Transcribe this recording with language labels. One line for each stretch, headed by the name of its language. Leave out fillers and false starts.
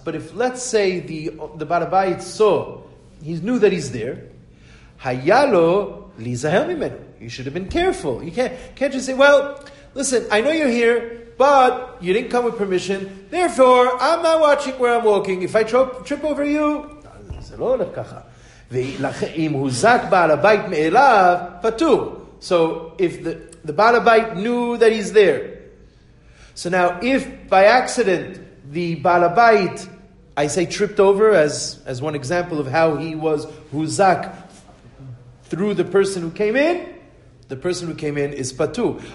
English: But if let's say the Baal HaBayit saw, he knew that he's there.
Hebrew: Hayalo lizahel mimenu.
English: You should have been careful. You can't just say, well, listen, I know you're here, but you didn't come with permission. Therefore, I'm not watching where I'm walking. If I trip over you,
Hebrew: זה לא הולך ככה. ואם הוזק בעל הבית מאליו, פטור.
English: So if the Baal HaBayit knew that he's there. So now if by accident the Baal HaBayit, I say tripped over as one example of how he was huzak through the person who came in, the person who came in is patu.